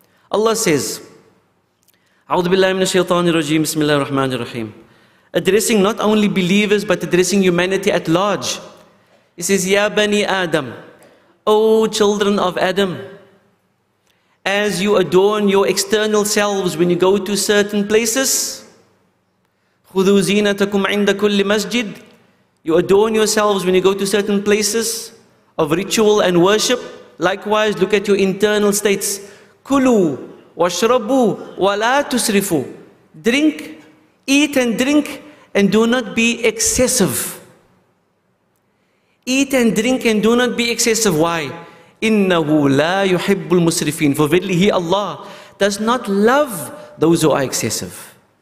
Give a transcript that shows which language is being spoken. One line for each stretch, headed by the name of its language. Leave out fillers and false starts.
English: Allah says,
Arabic: أعوذ بالله من الشيطان الرجيم بسم الله الرحمن الرحيم.
English: Addressing not only believers, but addressing humanity at large. He says,
Arabic: يا بني آدم,
English: O children of Adam, as you adorn your external selves when you go to certain places,
Arabic: خذوا زينتكم عند كل مسجد,
English: you adorn yourselves when you go to certain places of ritual and worship. Likewise, look at your internal states.
Arabic: كلوا واشربوا ولا تسرفوا.
English: Drink, eat and drink, and do not be excessive. Eat and drink and do not be excessive. Why?
Arabic: إِنَّهُ لَا يُحِبُّ الْمُسْرِفِينَ.
English: For verily He, Allah, does not love those who are excessive.